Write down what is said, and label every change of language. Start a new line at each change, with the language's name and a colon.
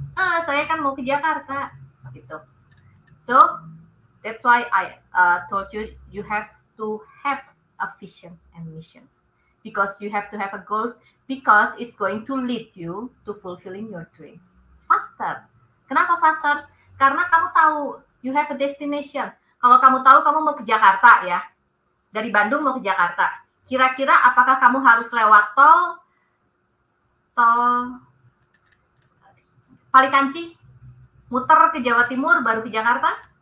Indonesian: Ah, saya kan mau ke Jakarta, gitu.
English: So, that's why I told you, you have to have a vision and missions. Because you have to have a goals, because it's going to lead you to fulfilling your dreams faster.
Indonesian: Kenapa faster? Karena kamu tahu,
English: you have a destination.
Indonesian: Kalau kamu tahu kamu mau ke Jakarta ya, dari Bandung mau ke Jakarta, kira-kira apakah kamu harus lewat tol Palikanci, muter ke Jawa Timur baru ke Jakarta?